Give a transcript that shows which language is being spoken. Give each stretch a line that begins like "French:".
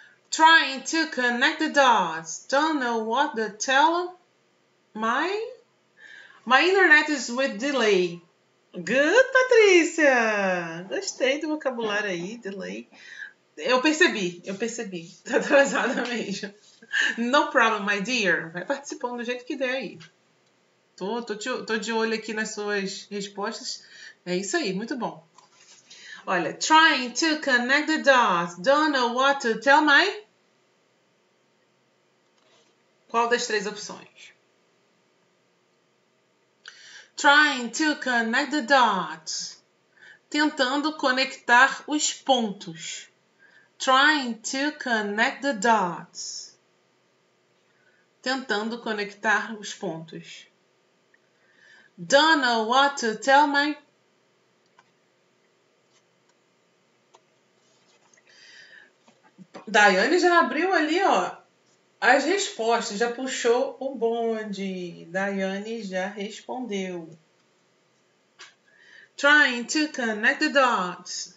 English: Trying to connect the dots. Don't know what the tell. My internet is with delay. Good, Patrícia.
Portuguese: Gostei do vocabulário aí, delay. Eu percebi. Tá atrasada mesmo.
English: No problem, my dear.
Portuguese: Vai participando do jeito que der aí. Tô de olho aqui nas suas respostas. É isso aí, muito bom.
English: Olha, trying to connect the dots. Don't know what to tell my.
Portuguese: Qual das três opções?
English: Trying to connect the dots.
Portuguese: Tentando conectar os pontos.
English: Trying to connect the dots.
Portuguese: Tentando conectar os pontos.
English: Don't know what to tell my.
Portuguese: Daiane já abriu ali, ó, as respostas, já puxou o bonde. Daiane já respondeu.
English: Trying to connect the dots.